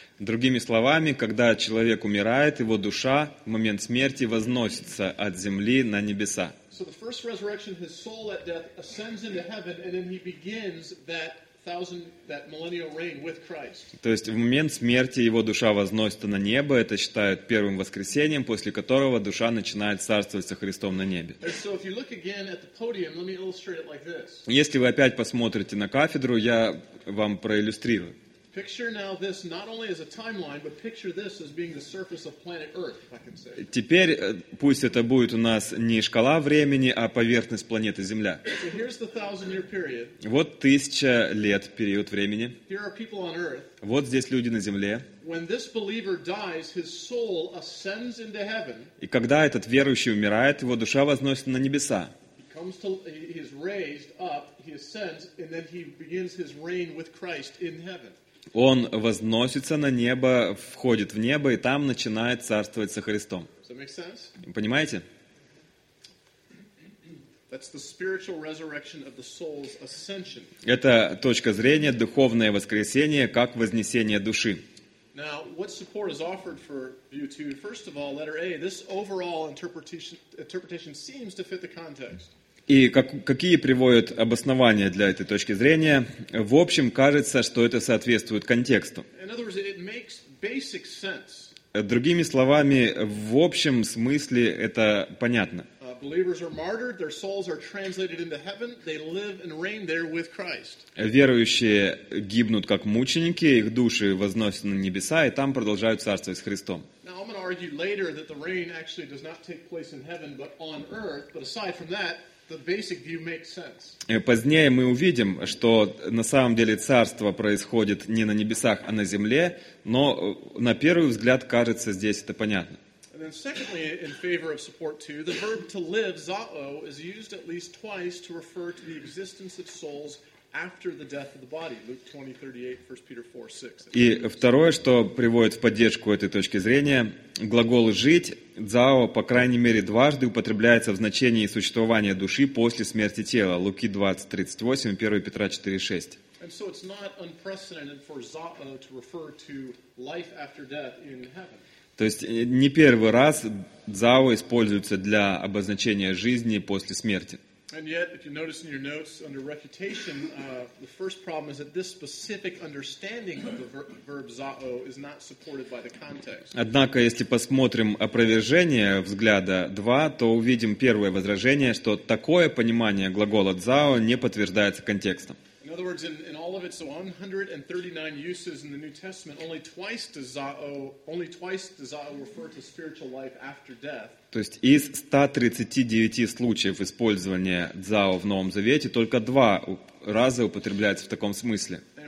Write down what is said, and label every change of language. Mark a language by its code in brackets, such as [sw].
[ru] Другими словами, когда человек умирает, его душа в момент смерти возносится от земли на небеса. [en] So the first resurrection, his soul at death ascends into heaven, and then he begins that millennial reign with Christ. [ru] То есть в момент смерти его душа возносится на небо, это считают первым воскресением, после которого душа начинает царствовать со Христом на небе. [en] So if you look again at the podium, let me illustrate it like this. [ru] Если вы опять посмотрите на кафедру, я вам проиллюстрирую. [en] Picture now this not only as a timeline, but picture this as being the surface of planet Earth, if I can say. [ru] Теперь пусть это будет у нас не шкала времени, а поверхность планеты Земля. [en] So here's the 1,000-year period. [ru] Вот 1000 лет период времени. [en] Here are people on Earth. [ru] Вот здесь люди на Земле. [en] When this believer dies, his soul ascends into heaven. [ru] И когда этот верующий умирает, его душа возносится на небеса. [en] He is raised up, he ascends, and then he begins his reign with Christ in heaven. [ru] Он возносится на небо, входит в небо, и там начинает царствовать со Христом. [en] Does that make sense? [ru] Понимаете? [en] That's the spiritual resurrection of the soul's ascension. [ru] Это точка зрения, духовное воскресение, как вознесение души. [en] Now, what support is offered for view two? First of all, letter A, this overall interpretation seems to fit the context. [ru] И какие приводят обоснования для этой точки зрения? В общем, кажется, что это соответствует контексту. [en] In other words, it makes basic sense. [ru] Другими словами, в общем смысле это понятно. [en] Believers are martyred, their souls are translated into heaven, they live and reign there with Christ. [ru] Верующие гибнут как мученики, их души возносятся на небеса, и там продолжают царствовать с Христом. [en] Now, I'm going to argue later that the reign actually does not take place in heaven, but on earth, but aside from that, the basic view makes sense. [ru] Позднее мы увидим, что на самом деле царство происходит не на небесах, а на земле, но на первый взгляд кажется, здесь это понятно. [en] And then secondly, in favor of support two, the verb to live, zao, is used at least twice to refer to the existence of souls after the death of the body. Luke 20:38, 1 Peter 4:6. [ru] И второе, что приводит в поддержку этой точки зрения, глагол «жить», «зао», по крайней мере, дважды употребляется в значении существования души после смерти тела. Луки 20:38 и 1 Петра 4:6. [en] And so it's not unprecedented for zao to refer to life after death in heaven. [ru] То есть не первый раз «зао» используется для обозначения жизни после смерти. [en] And yet, if you notice in your notes under refutation, the first problem is that this specific understanding of the verb zao is not supported by the context. [ru] Однако, если посмотрим опровержение взгляда 2, то увидим первое возражение, что такое понимание глагола zao не подтверждается контекстом. [en] In other words, in all of its 139 uses in the New Testament, only twice does zao refer to spiritual life after death. [ru] То есть из 139 случаев использования «зао» в Новом Завете только 2 раза употребляется в таком смысле.